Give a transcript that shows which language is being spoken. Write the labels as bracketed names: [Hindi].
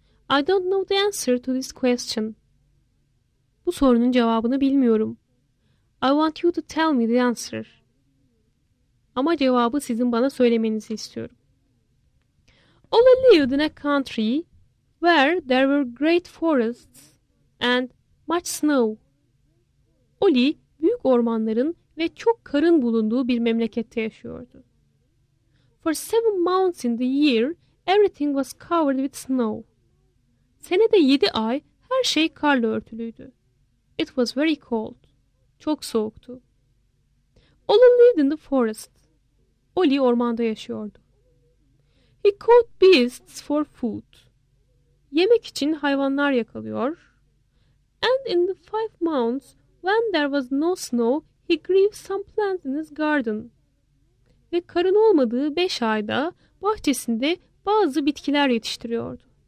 [English] I don't know the answer to this question. [Turkish] Bu sorunun cevabını bilmiyorum. [English] I want you to tell me the answer. [Turkish] Ama cevabı sizin bana söylemenizi istiyorum. [English] Ollie lived in a country where there were great forests and much snow. [Turkish] Ollie büyük ormanların ve çok karın bulunduğu bir memlekette yaşıyordu. [English] For 7 months in the year, everything was covered with snow. [Turkish] Senede 7 ay her şey karla örtülüydü. [English] It was very cold. [Turkish] Çok soğuktu. [English] Ollie lived in the forest. [Turkish] Ollie ormanda yaşıyordu. [English] He caught beasts for food. [Turkish] Yemek için hayvanlar yakalıyor. [English] And in the 5 months when there was no snow, he grew some plants in his garden. [Turkish] Ve karın olmadığı 5 ayda bahçesinde bazı bitkiler yetiştiriyordu.